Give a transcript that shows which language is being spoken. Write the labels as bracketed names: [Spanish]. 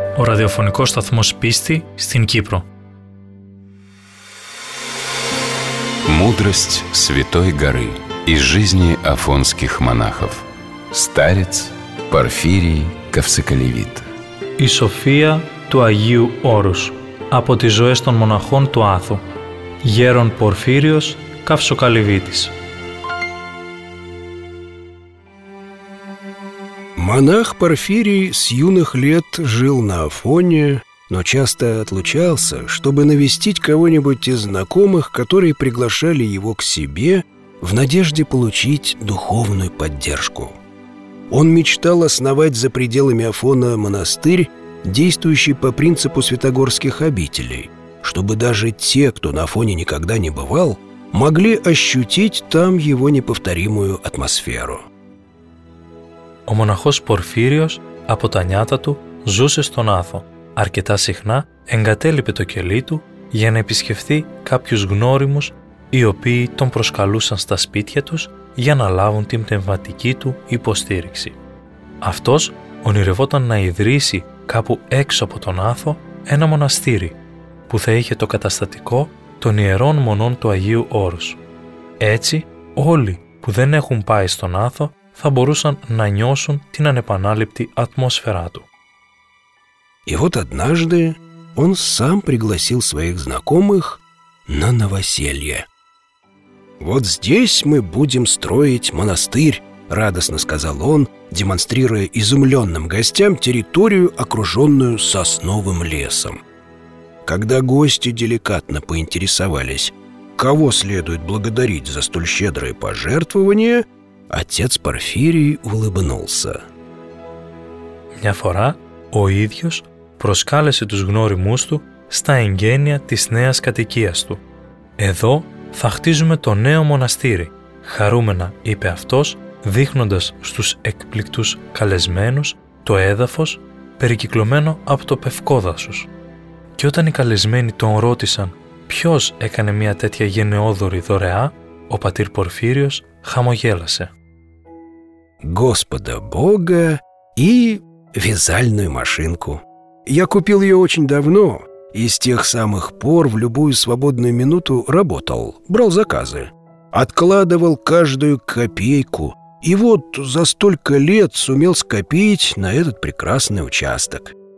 [Greek] Ο ραδιοφωνικός σταθμός πίστη στην Κύπρο. [Russian] Мудрость Святой Горы из жизни афонских монахов. Старец Порфирий Ковсоколевит. [Greek] Η Σοφία του Αγίου Όρους από τις ζωές των μοναχών του Άθου. Γέρον Πορφύριος Ковσοколевитης. [Russian] Монах Порфирий с юных лет жил на Афоне, но часто отлучался, чтобы навестить кого-нибудь из знакомых, которые приглашали его к себе в надежде получить духовную поддержку. Он мечтал основать за пределами Афона монастырь, действующий по принципу святогорских обителей, чтобы даже те, кто на Афоне никогда не бывал, могли ощутить там его неповторимую атмосферу. [Greek] Ο μοναχός Πορφύριος από τα νιάτα του ζούσε στον Άθο. Αρκετά συχνά εγκατέλειπε το κελί του για να επισκεφθεί κάποιους γνώριμους οι οποίοι τον προσκαλούσαν στα σπίτια τους για να λάβουν την πνευματική του υποστήριξη. Αυτός ονειρευόταν να ιδρύσει κάπου έξω από τον Άθο ένα μοναστήρι που θα είχε το καταστατικό των ιερών μονών του Αγίου Όρους. Έτσι, όλοι που δεν έχουν πάει στον Άθο θα μπορούσαν να νιώσουν την ανεπανάληπτη ατμόσφαιρά του. [Russian] И вот однажды он сам пригласил своих знакомых на новоселье. «Вот здесь мы будем строить монастырь», — радостно сказал он, демонстрируя изумленным гостям территорию, окруженную сосновым лесом. Когда гости деликатно поинтересовались, кого следует благодарить за столь щедрое пожертвование, отец Порфирий улыбнулся. [Greek] «Мня фора, о идиос», προσκάλεσε τους γνώριμούς του στα εγγένεια της νέας κατοικίας του. «Εδώ θα χτίζουμε το νέο μοναστήρι», χαρούμενα είπε αυτός, δείχνοντας στους εκπληκτούς καλεσμένους το έδαφος περικυκλωμένο από το πευκόδασος. Και όταν οι καλεσμένοι τον ρώτησαν ποιος έκανε μια τέτοια γενναιόδωρη δωρεά, ο πατήρ Πορφύριος χαμογέλασε. [Russian] «Господа Бога и вязальную машинку. Я купил ее очень давно и с тех самых пор в любую свободную минуту работал, брал заказы, откладывал каждую копейку и вот за столько лет сумел скопить на этот прекрасный участок.